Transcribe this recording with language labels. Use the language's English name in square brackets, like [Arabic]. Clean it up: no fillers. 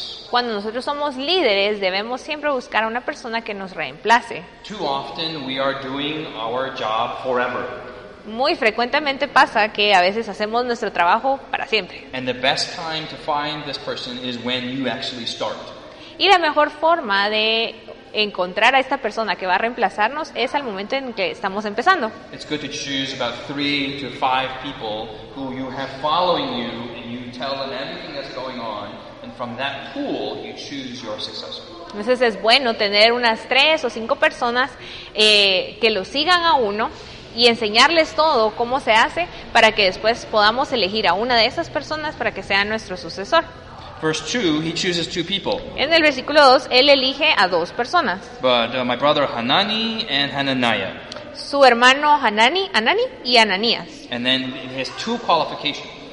[Spanish] Cuando nosotros somos líderes, debemos siempre buscar a una persona que nos reemplace. [English] Too often we are doing our job forever. [Spanish] Muy frecuentemente pasa que a veces hacemos nuestro trabajo para siempre. [English] And the best time to find this person is when you actually start. [Spanish] Y la mejor forma de encontrar a esta persona que va a reemplazarnos es al momento en que estamos empezando. [English] It's good to choose about 3 to 5 people who you have following you, and you tell them everything that's going on, and from that pool you choose your successor. [Spanish] Entonces es bueno tener unas 3 o 5 personas que lo sigan a uno y enseñarles todo cómo se hace para que después podamos elegir a una de esas personas para que sea nuestro sucesor. [English] Verse 2, he chooses 2 people. [Spanish] En el versículo 2, él elige a 2 personas. [English] But my brother Hanani and Hananiah. [Spanish] Su hermano Hanani, Anani y Ananías. [English] And then he has 2 qualifications.